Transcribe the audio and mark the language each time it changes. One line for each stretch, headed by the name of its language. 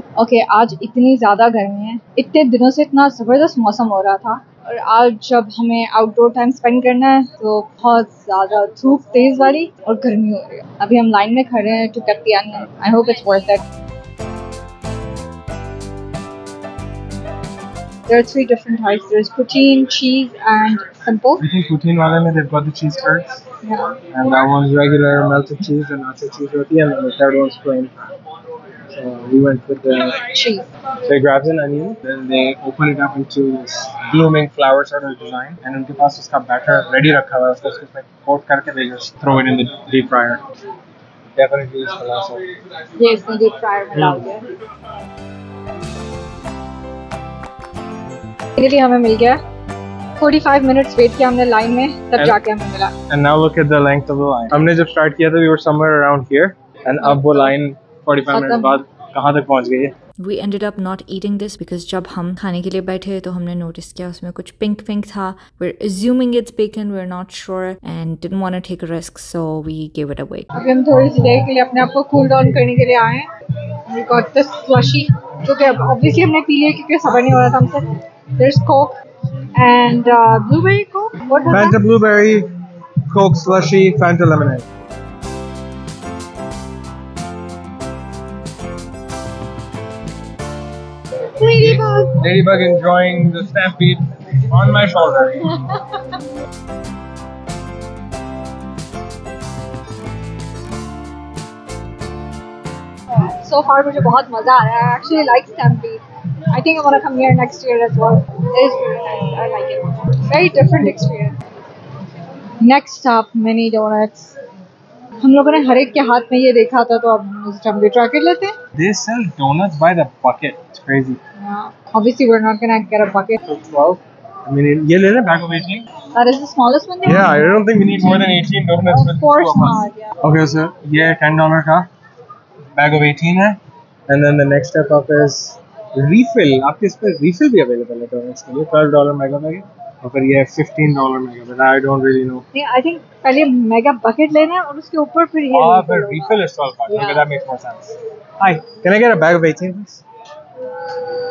Hindi: Okay, आज इतनी ज़्यादा गर्मी है, इतने दिनों से इतना ज़बरदस्त मौसम हो रहा था, और आज जब हमें आउटडोर टाइम स्पेंड करना है तो बहुत ज़्यादा धूप तेज वाली और गर्मी हो रही है। अभी हम लाइन में खड़े हैं
English: To cut the onion, I hope it's worth it. There are three different types. There's poutine, cheese, and simple. I think poutine
Hindi: wale mein
English: they've got the cheese curds. Yeah. And that one's regular melted cheese and nacho cheese roti, and then the third one's plain. So we went with the cheese. They grab an onion, then they open it up into this blooming flower sort of design, and
Hindi: unke paas uska batter ready rakha hua hai. Usko coat karke
English: they just throw it in the deep fryer. Definitely is falafel. Yes, the deep fryer falafel.
Hindi: Finally, हमें मिल गया. 45 minutes wait किया हमने line में, तब जाके हमें मिला.
English: And now look at the length of the line.
Hindi: हमने जब start किया था,
English: we were somewhere around here,
Hindi: and अब वो line 45 minutes बाद कहाँ तक पहुँच गई है?
English: We ended up not eating this because
Hindi: जब हम खाने के लिए बैठे तो हमने notice किया उसमें कुछ pink था.
English: We're assuming it's bacon, we're not sure, and didn't want to take a risk, so we gave it away.
Hindi: अभी हम थोड़ी सी देर के लिए अपने आप को cool down करने के लिए आए.
English: We got this slushy.
Hindi: क्योंकि obviously हमने पी लिया क्योंकि सबर नहीं हो रहा था हमसे.
English: There's Coke and blueberry Coke. What was Fanta that? Blueberry, Coke slushy, Fanta lemonade. Ladybug enjoying the stampede on my shoulder. So far,
Hindi: मुझे बहुत मजा आ रहा है.
English: I actually like stampede. I think I want to come here next year as well. It is really nice. I like it. Very different experience. Next stop, mini donuts.
Hindi: हम लोगों ने हर एक के हाथ में ये देखा था तो अब उस टाइम भी ट्राई कर लेते हैं.
English: They sell donuts by the bucket. It's crazy. Yeah. Obviously, we're not gonna get a bucket. So 12. I mean,
Hindi: ये ले रहे हैं
English: bag of 18. That is the smallest one. Yeah, I don't think we need more than 18 donuts. Of course not. Yeah. Okay, so ये $10 का bag of 18 है. And then the next step up is refill.
Hindi: आपके इसपे refill भी available है donuts के लिए.
English: $12 mega bag. But yeah, $15 mega, but I don't really know.
Hindi: Yeah, I think first mega bucket lena aur uske upar fir ye.
English: Ah, but refill is 12 bucks. Yeah. That makes more sense. Hi, can I get a bag of 18, please?